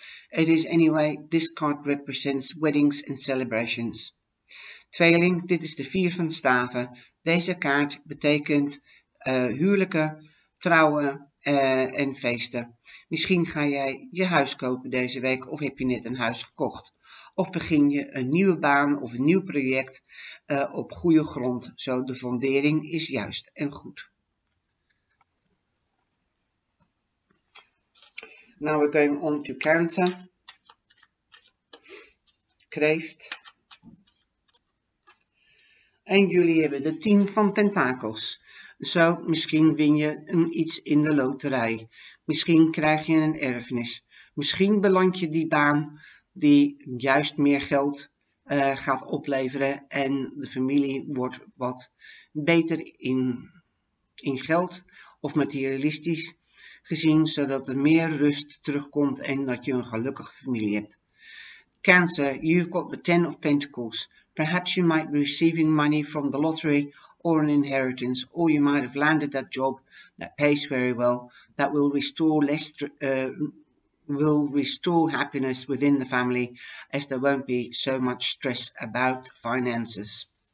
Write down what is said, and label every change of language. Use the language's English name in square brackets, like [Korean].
[English] It is anyway, this card represents weddings and celebrations. [Dutch] Tweeling, dit is de Vier van Staven. Deze kaart betekent huwelijken, trouwen en feesten. Misschien ga jij je huis kopen deze week of heb je net een huis gekocht. Of begin je een nieuwe baan of een nieuw project op goede grond. Zo, de fundering is juist en goed. [English] Now we're going on to Cancer, Kreeft. [Dutch] En jullie hebben de 10 van Pentakels. Zo, misschien win je iets in de loterij. Misschien krijg je een erfenis. Misschien beland je die baan die juist meer geld gaat opleveren en de familie wordt wat beter in geld of materialistisch gezien, zodat er meer rust terugkomt en dat je een gelukkige familie hebt. [English] Cancer, you've got the Ten of Pentacles. Perhaps you might be receiving money from the lottery or an inheritance, or you might have landed that job that pays very well, that will restore happiness within the family, as there won't be so much stress about finances.